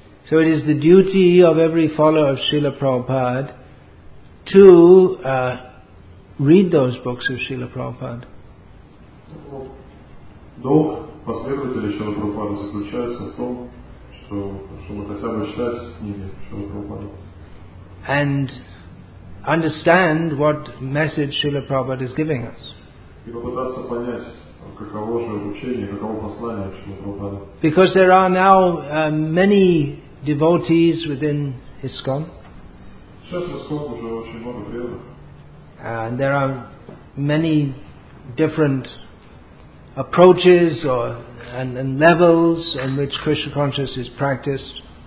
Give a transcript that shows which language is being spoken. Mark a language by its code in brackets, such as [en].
[en] So it is the duty of every follower of Srila Prabhupada to read those books of Srila Prabhupada. [ru] Долг последователей Шрилы Прабхупады заключается в том, чтобы хотя бы читать книги Шрилы Прабхупады. [en] And understand what message Srila Prabhupada is giving us. [ru] И попытаться понять, каково же учение, каково послание Шрилы Прабхупады. [en] Because there are now many devotees within ISKCON. [ru] Сейчас в ISKCON уже очень много преданных. [en] And there are many different approaches or and levels in which Krishna consciousness is practiced.